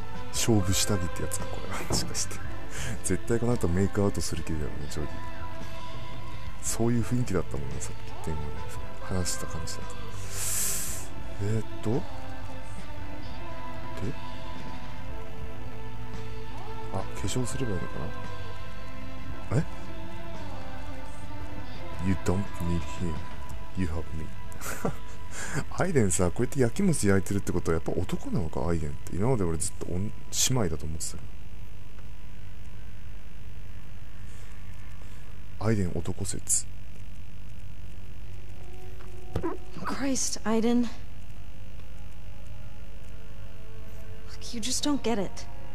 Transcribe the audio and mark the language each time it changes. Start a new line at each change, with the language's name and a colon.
Japanese: 勝負下着ってやつか、これは。もしかして絶対この後メイクアウトする気だよね、ジョディ。そういう雰囲気だったもんね、さっき電話で話した感じだった。で、あ、化粧すればいいのかな。
English: え、 You don't need him, you have me.
Japanese: アイデンさ、こうやって焼き餅焼いてるってことはやっぱ男なのか、アイデンって。今まで俺ずっと姉妹だと思ってたよ。アイデン男説。
English: Christ, Aiden. Look, you just don't get it.